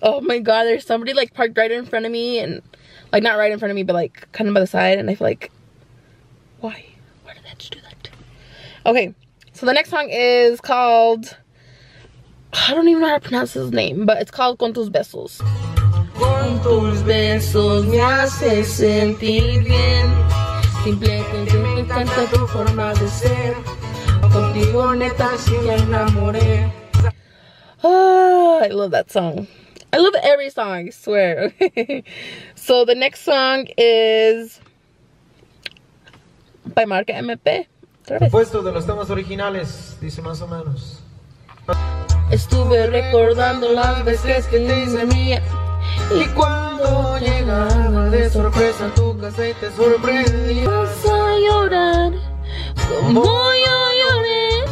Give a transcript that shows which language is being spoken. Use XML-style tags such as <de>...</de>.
<en>Oh my god, there's somebody like parked right in front of me, and like not right in front of me, but like kind of by the side, and I feel like, why did that do that? Okay, so the next song is called, I don't even know how to pronounce his name, but it's called Con Tus Besos.</en> <es>Con tus besos me hace sentir bien. Simplemente me encanta tu forma de ser. Contigo neta si me enamoré.</es> <en>Oh, I love that song. I love every song, I swear. Okay. So the next song is by Marca MP.</en> <es>Puesto de los temas originales, dice más o menos. Estuve recordando las veces que te hice mía. Y cuando llegaba de sorpresa en tu casa y te sorprendí. Vas a llorar como yo lloré.</es>